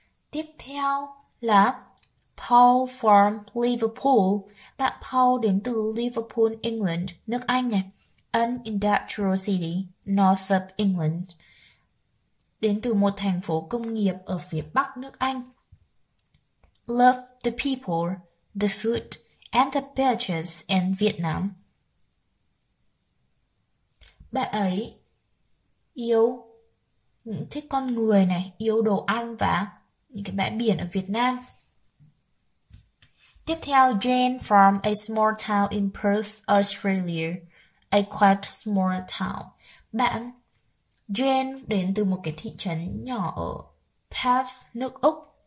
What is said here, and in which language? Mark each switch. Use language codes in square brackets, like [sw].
[vi] Tiếp theo là Paul from Liverpool. Bạn Paul đến từ Liverpool, England, nước Anh này. [en] An industrial city, north of England. [vi] Đến từ một thành phố công nghiệp ở phía bắc nước Anh. [en] Love the people, the food, and the beaches in Vietnam. [vi] Bạn ấy yêu, thích con người này, yêu đồ ăn và những cái bãi biển ở Việt Nam. Tiếp theo, [en] Jane from a small town in Perth, Australia. A quite small town. [vi] Bạn Jane đến từ một cái thị trấn nhỏ ở Perth, nước Úc.